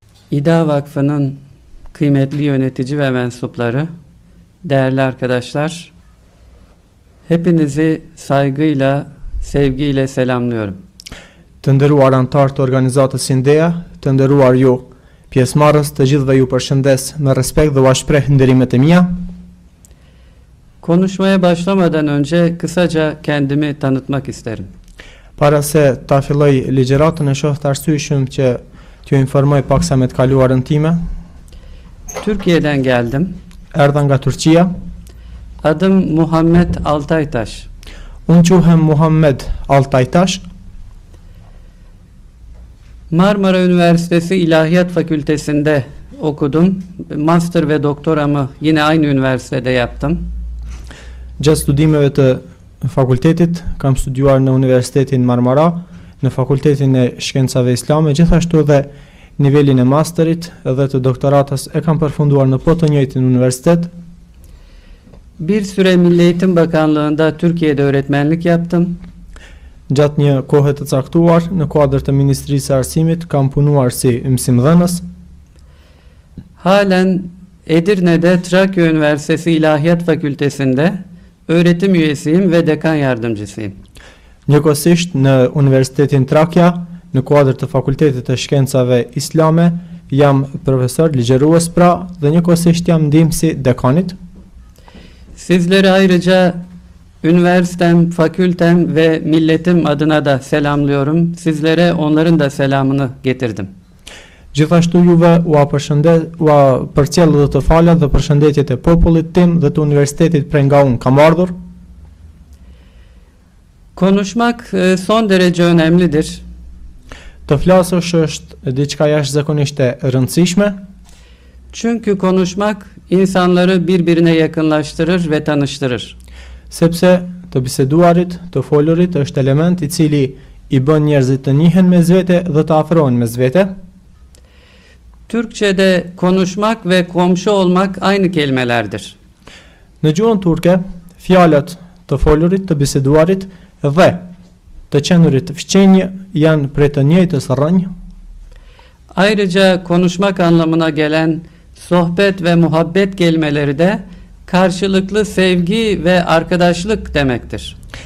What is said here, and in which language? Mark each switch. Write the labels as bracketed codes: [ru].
[tr] İDEA Vakfı'nın kıymetli yönetici ve mensupları, değerli arkadaşlar, hepinizi saygıyla, sevgiyle selamlıyorum. [sq] Të nderuar anëtarë të organizatës IDEA, të nderuar ju pjesëmarrës, të gjithëve ju përshëndes me respekt dhe u shpreh nderimet e mia. [tr] Konuşmaya başlamadan önce kısaca kendimi tanıtmak isterim. [sq] Para se ta filloj ligjëratën, e shoh të arsyeshëm që t'ju informoj paksa me të kaluarën time. [tr] Türkiye'den geldim. [sq] Erdhën nga Turqia. [tr] Adım Muhammed Altaytaş. [sq] Unë quhem Muhammed Altaytaş. [tr] Marmara Üniversitesi İlahiyat Fakültesinde okudum. Master ve doktoramı yine aynı üniversitede yaptım. [sq] Gjatë studimeve të fakultetit, kam studiuar në Universitetin Marmara, në Fakultetin e Shkencave Islame, gjithashtu dhe nivelin e masterit dhe të doktoratas e kam përfunduar në po të njëjtin universitet. [tr] Bir süre Milli Eğitim Bakanlığında Türkiye'de öğretmenlik yaptım. [sq] Gjatë një kohë të caktuar në kuadër të Ministrisë së Arsimit kam punuar si mësimdhënës. [tr] Halen Edirne'de Trakya Üniversitesi İlahiyat Fakültesinde öğretim üyesiyim ve dekan yardımcısıyım. [sq] Njëkohësisht në Universitetin Trakya në kuadër të Fakultetit të Shkencave Islame jam profesor ligjërues pra dhe njëkohësisht jam ndihmësi dekanit. [tr] Sizleri ayrıca üniversitem, fakültem ve milletim adına da selamlıyorum. Sizlere onların da selamını getirdim. [sq] Gjithashtu juve ua përcjell dhe të falat dhe përshëndetjet e popullit tim dhe të universitetit prej nga unë kam ardhur. [tr] Konuşmak son derece önemlidir. [sq] Të flasësh është diçka jashtëzakonisht e rëndësishme. [tr] Çünkü konuşmak insanları birbirine yakınlaştırır ve tanıştırır. [sq] Sepse të biseduarit, të folurit është element i cili i bën njerëzit të njihen me zvete dhe të afrohen me zvete. [tr] Türkçe'de konuşmak ve komşu olmak aynı kelimelerdir. [sq] Në gjuhën turke, fjalët të folurit, të biseduarit dhe të qenurit të fqenjë janë prej të njëjtës rrënjë. [tr] Ayrıca konuşmak anlamına gelen sohbet ve muhabbet kelimeleri de karşılıklı sevgi ve arkadaşlık demektir.